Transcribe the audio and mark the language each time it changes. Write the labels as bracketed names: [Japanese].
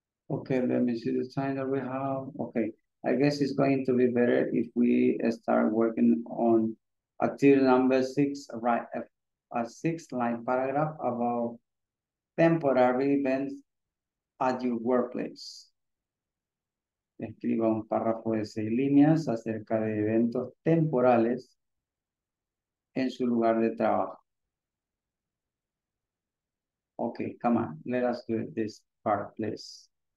[English] Okay, let me see the time that we have. Okay, I guess it's going to be better if we start working on activity number six, right? A six-line paragraph about temporary events at your workplace. [Spanish] Escriba un párrafo de seis líneas acerca de eventos temporales en su lugar de trabajo. [English] Okay, come on, let us do this part, please.